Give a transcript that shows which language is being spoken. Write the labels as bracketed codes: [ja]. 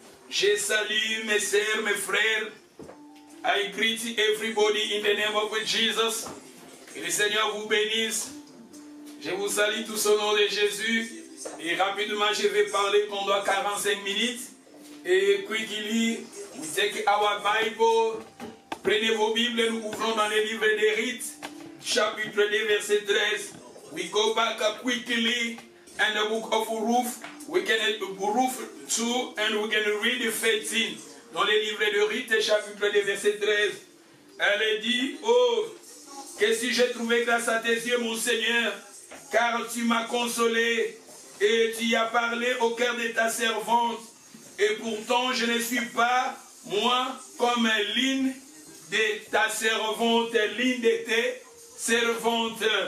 [fr] Je salue mes sœurs, mes frères. [en] I greet everybody in the name of Jesus. [fr] Que le Seigneur vous bénisse. Je vous salue tous au nom de Jésus. Et rapidement, je vais parler pendant 45 minutes. [en] Et quickly, we take our Bible. [fr] Prenez vos Bibles, nous ouvrons dans les livres des rites. Chapitre 2, verset 13. [en] We go back quickly in the book of Ruth. We can Ruth 2 and we can read 13. [fr] Dans les livres de rites, chapitre 2, verset 13. Elle dit, oh, que si j'ai trouvé grâce à tes yeux, mon Seigneur, car tu m'as consolé et tu as parlé au cœur de ta servante. Et pourtant, je ne suis pas, moi, comme l'une de ta servante, l'une de tes servantes.